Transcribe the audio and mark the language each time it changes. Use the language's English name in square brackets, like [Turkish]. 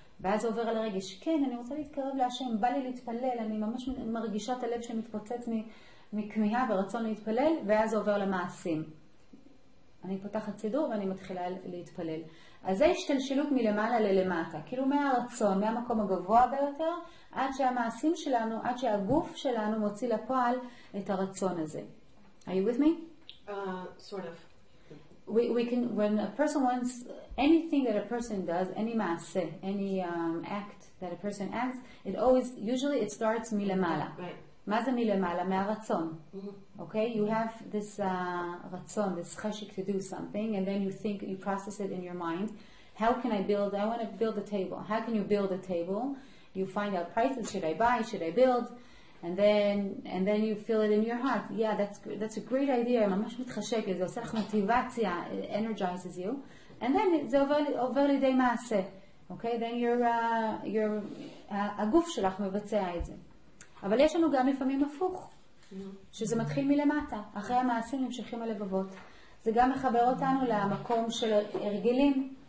[Hebrew] ואז זה עובר על הרגש, כן, אני רוצה להתקרב להשם, בא לי להתפלל, אני ממש מרגישה את הלב שמתפוצץ מכמיהה ורצון להתפלל, ואז זה עובר למעשים. אני פותחת סידור ואני מתחילה להתפלל. אז זה השתלשלות מלמעלה ללמטה, כאילו מהרצון, מהמקום הגבוה ביותר, עד שהמעשים שלנו, עד שהגוף שלנו מוציא לפועל את הרצון הזה. [English] Are you with me? Sort of. We can, when a person wants anything that a person does, any ma'ase, any act that a person acts, it always, usually it starts milamala. Right. [Hebrew] מה זה milamala? מהרצון. Okay? [English] You have this רצון, this חשק to do something, and then you think, you process it in your mind. How can I build? I want to build a table. How can you build a table? You find out prices. Should I buy? Should I build? And then you feel it in your heart. Yeah, that's a great idea. [Hebrew] ממש מתחשק, זה עושה לך מוטיבציה, [English] it energizes you. And then [Hebrew] זה עובר לידי מעשה. [English] Okay? Then [Hebrew] הגוף שלך מבצע את זה. אבל יש לנו גם לפעמים הפוך, שזה מתחיל מלמטה. אחרי המעשים נמשכים הלבבות. זה גם מחבר אותנו למקום של הרגלים.